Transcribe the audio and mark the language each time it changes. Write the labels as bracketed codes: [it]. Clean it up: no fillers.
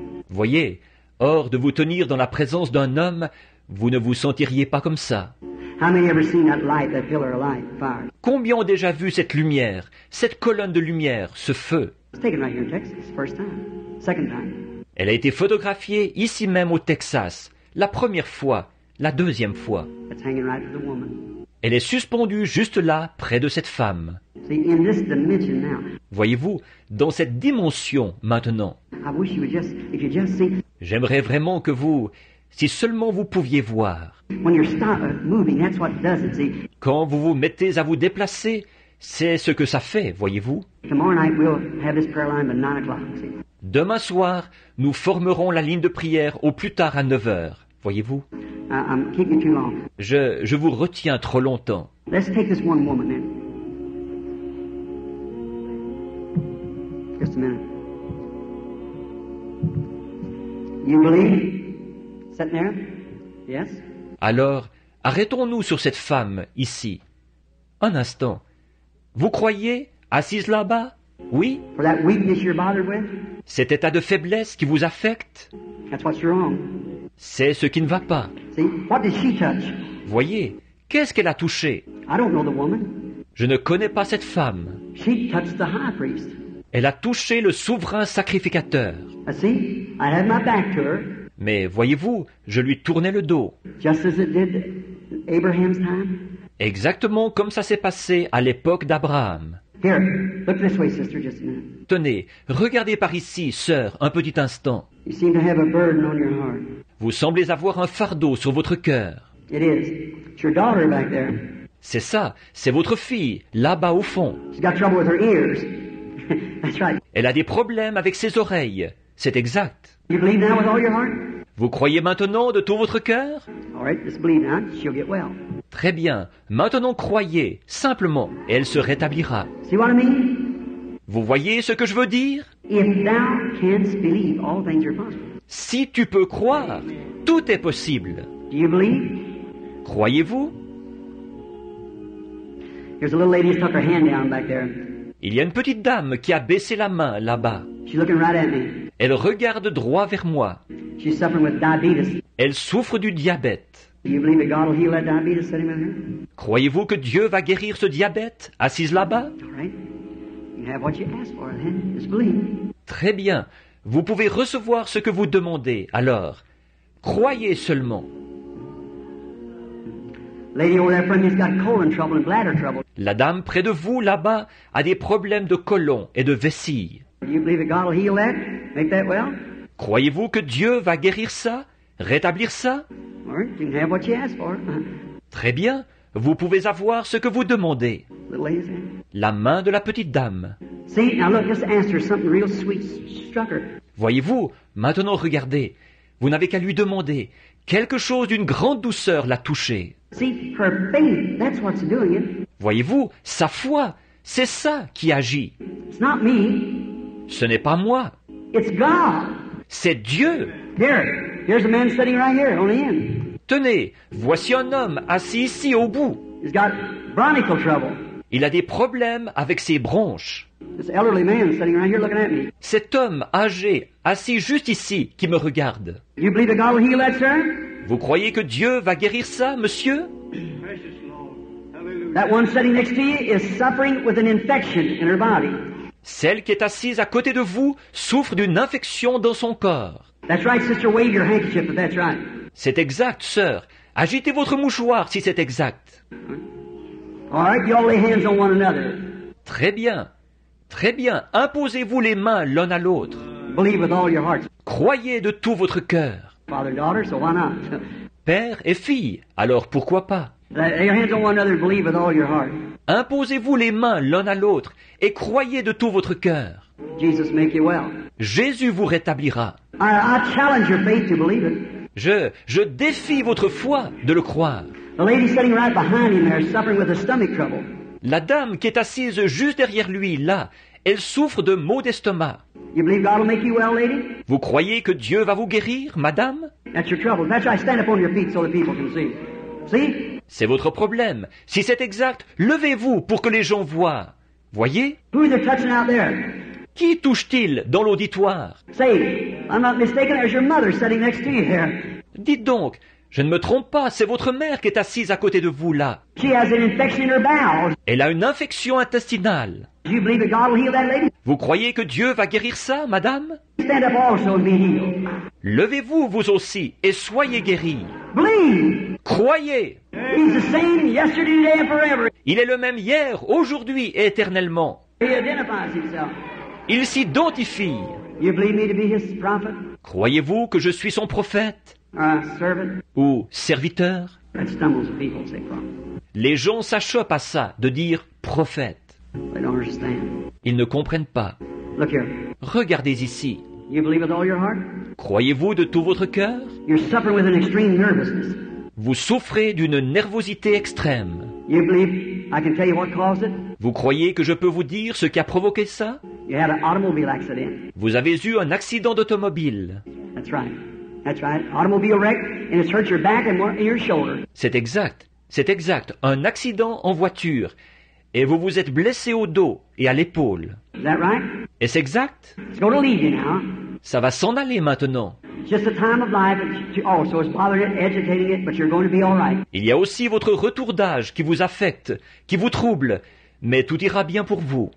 [fr] Voyez, hors de vous tenir dans la présence d'un homme, vous ne vous sentiriez pas comme ça. [en] How many ever seen that light, that pillar of light, fire? [fr] Combien ont déjà vu cette lumière, cette colonne de lumière, ce feu? [en] It's taken right here in Texas, first time, second time. [fr] Elle a été photographiée ici même au Texas, la première fois, la deuxième fois. [en] It's hanging right with the woman. [fr] Elle est suspendue juste là, près de cette femme. [en] See, in this dimension now, [fr] voyez-vous, dans cette dimension maintenant, [en] I wish you would just, if you just see, [fr] j'aimerais vraiment que vous, si seulement vous pouviez voir, [en] when you're moving, that's what does it, see. [fr] Quand vous vous mettez à vous déplacer, c'est ce que ça fait, voyez-vous. [en] Tomorrow night we'll have this prayer line by 9 o'clock, see. [fr] Demain soir, nous formerons la ligne de prière au plus tard à 9 heures, voyez-vous. [en] I'm keeping too long. [fr] Je vous retiens trop longtemps. [en] Let's take this one woman in. Just a minute. You believe? Sitting there? Yes? [fr] Alors, arrêtons-nous sur cette femme ici. Un instant. Vous croyez assise là-bas? Oui? [en] For that weakness you're bothered with? [fr] Cet état de faiblesse qui vous affecte? [en] That's what's wrong. [fr] C'est ce qui ne va pas. [en] See, what did she touch? [fr] Voyez, qu'est-ce qu'elle a touché? [en] I don't know the woman. [fr] Je ne connais pas cette femme. [en] She touched the high priest. [fr] Elle a touché le souverain sacrificateur. [en] See, I had my back to her. [fr] Mais voyez-vous, je lui tournais le dos. [en] Just as it did Abraham's time. [fr] Exactement comme ça s'est passé à l'époque d'Abraham. [en] Here, look this way, sister, just a minute. [fr] Tenez, regardez par ici, sœur, un petit instant. [en] You seem to have a burden on your heart. [fr] Vous semblez avoir un fardeau sur votre cœur. [en] It is. It's your daughter back there. [fr] C'est ça, c'est votre fille, là-bas au fond. [en] She's got trouble with her ears. That's right. [fr] Elle a des problèmes avec ses oreilles, c'est exact. [en] You believe now with all your heart? [fr] Vous croyez maintenant de tout votre cœur? [en] All right, just believe now. She'll get well. [fr] Très bien, maintenant croyez, simplement, et elle se rétablira. [en] See what I mean? [fr] Vous voyez ce que je veux dire? [en] If thou canst believe, all things are possible. [fr] Si tu peux croire, tout est possible. [en] Do you believe? [fr] Croyez-vous? [en] There's a little lady who stuck her hand down back there. [fr] Il y a une petite dame qui a baissé la main là-bas. [en] She's looking right at me. [fr] Elle regarde droit vers moi. [en] She's suffering with diabetes. [fr] Elle souffre du diabète. [en] Do you believe that God will heal that diabetes sitting there? [fr] Croyez-vous que Dieu va guérir ce diabète assise là-bas? [en] All right. You have what you ask for, then. Just believe. [fr] Très bien. Vous pouvez recevoir ce que vous demandez. Alors, croyez seulement. [en] Lady over there from me has got colon trouble and bladder trouble. [fr] La dame près de vous là-bas a des problèmes de colon et de vessie. [en] You believe that God will heal that? Make that well? [fr] Croyez-vous que Dieu va guérir ça, rétablir ça? [en] All right, you can have what you ask for. [fr] Très bien, vous pouvez avoir ce que vous demandez. La main de la petite dame. [en] See, now look, just answer. Something real sweet struck her. [fr] Voyez-vous, maintenant regardez. Vous n'avez qu'à lui demander. Quelque chose d'une grande douceur l'a touchée. [en] See, her faith, that's what's doing it. [fr] Voyez-vous, sa foi, c'est ça qui agit. [en] It's not me. [fr] Ce n'est pas moi. [en] It's God. [fr] C'est Dieu. [en] There, there's a man sitting right here on the end. [fr] Tenez, voici un homme assis ici au bout. [en] He's got bronchial trouble. [fr] Il a des problèmes avec ses bronches. [en] This elderly man sitting right here looking at me. [fr] Cet homme âgé, assis juste ici, qui me regarde. [en] You believe that God will heal that, sir? [fr] Vous croyez que Dieu va guérir ça, monsieur? [en] That one sitting next to you is suffering with an infection in her body. [fr] Celle qui est assise à côté de vous souffre d'une infection dans son corps. [en] That's right, sister, wave your handkerchief, but that's right. [fr] C'est exact, sœur. Agitez votre mouchoir si c'est exact. [en] All right, you all lay hands on one another. [fr] Très bien. Très bien. Imposez-vous les mains l'un à l'autre. [en] Believe with all your heart. [fr] Croyez de tout votre cœur. [en] Father, daughter, so why not? [fr] Père et fille, alors pourquoi pas? [en] Lay your hands on one another and believe with all your heart. [fr] Imposez-vous les mains l'un à l'autre et croyez de tout votre cœur. [en] Jesus make you well. [fr] Jésus vous rétablira. [en] I challenge your faith to believe it. [fr] Je défie votre foi de le croire. [en] The lady sitting right behind him there is suffering with a stomach trouble. [fr] La dame qui est assise juste derrière lui, là, elle souffre de maux d'estomac. [en] You believe God will make you well, lady? [fr] Vous croyez que Dieu va vous guérir, madame? [en] That's your trouble. That's why I stand up on your feet so the people can see. See? [fr] C'est votre problème. Si c'est exact, levez-vous pour que les gens voient. Voyez? [en] Who are they touching out there? [fr] Qui touche-t-il dans l'auditoire? [en] Say, I'm not mistaken, there's your mother sitting next to you here. [fr] Dites donc, je ne me trompe pas, c'est votre mère qui est assise à côté de vous là. [en] She has an infection in her bowels. [fr] Elle a une infection intestinale. [en] Do you believe that God will heal that lady? [fr] Vous croyez que Dieu va guérir ça, madame? [en] Stand up also and be healed. [fr] Levez-vous vous aussi et soyez guéris. [en] Believe. [fr] Croyez. [en] He's the same yesterday, today and forever. [fr] Il est le même hier, aujourd'hui et éternellement. [en] He identifies himself. [fr] Il s'identifie. [en] You believe me to be his prophet? [fr] Croyez-vous que je suis son prophète? [en] Servant. [fr] Ou serviteur. [en] That stumbles the people, say prophet. [fr] Les gens s'achoppent à ça, de dire prophète. [en] They don't understand. [fr] Ils ne comprennent pas. [en] Look here. [fr] Regardez ici. [en] You believe with all your heart? [fr] Croyez-vous de tout votre cœur? [en] You're suffering with an extreme nervousness. [fr] Vous souffrez d'une nervosité extrême. [en] You believe I can tell you what caused it? [fr] Vous croyez que je peux vous dire ce qui a provoqué ça? [en] You had an automobile accident. [fr] Vous avez eu un accident d'automobile. [en] That's right. That's right. Automobile wreck, and it's hurt your back and your shoulder. [fr] C'est exact. C'est exact. Un accident en voiture, et vous vous êtes blessé au dos et à l'épaule. [en] Is that right? [fr] Et c'est exact. [en] It's going to leave you now. [fr] Ça va s'en aller maintenant. [en] Just the time of life. Oh, so it's bothering it, agitating it, but you're going to be all right. [fr] Il y a aussi votre retour d'âge qui vous affecte, qui vous trouble, mais tout ira bien pour vous.